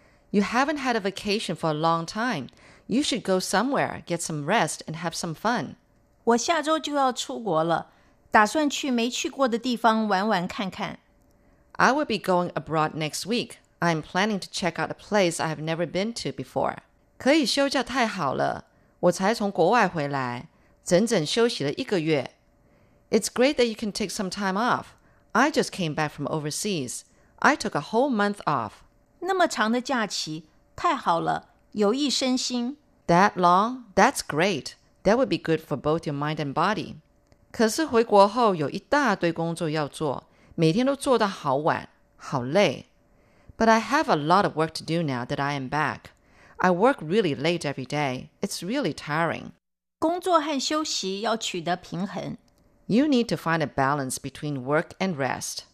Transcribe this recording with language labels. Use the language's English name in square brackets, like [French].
[English] You haven't had a vacation for a long time. You should go somewhere, get some rest, and have some fun. [Chinese] 我下周就要出国了，打算去没去过的地方玩玩看看。 [English] I will be going abroad next week. I am planning to check out a place I have never been to before. [Chinese] 可以休假太好了，我才从国外回来，整整休息了一个月。 [English] It's great that you can take some time off. I just came back from overseas. I took a whole month off. [Chinese] 那么长的假期，太好了，有益身心。 [English] That long? That's great. That would be good for both your mind and body. [Chinese] 可是回国后有一大堆工作要做，每天都做到好晚，好累。 [English] But I have a lot of work to do now that I am back. I work really late every day. It's really tiring. [Chinese] 工作和休息要取得平衡。 [English] You need to find a balance between work and rest.